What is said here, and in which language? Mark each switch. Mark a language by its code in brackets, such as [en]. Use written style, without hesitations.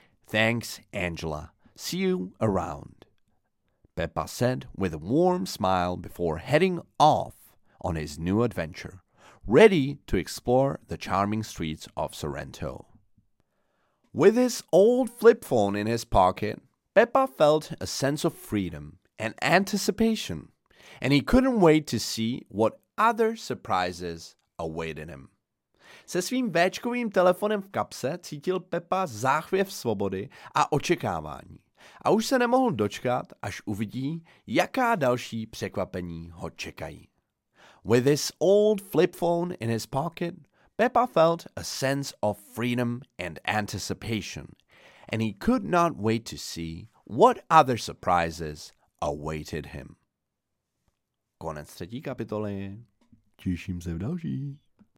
[en] Thanks, Angela. See you around, Peppa said with a warm smile before heading off on his new adventure, ready to explore the charming streets of Sorrento. With his old flip phone in his pocket, Peppa felt a sense of freedom and anticipation, and he couldn't wait to see what other surprises awaited him. [cs] Se svým véčkovým telefonem v kapse cítil Peppa záchvěv svobody a očekávání. A už se nemohl dočkat, až uvidí, jaká další překvapení ho čekají. [en] With his old flip phone in his pocket, Peppa felt a sense of freedom and anticipation, and he could not wait to see what other surprises awaited him. [cs] Konec třetí kapitoly. Těším se v dalších.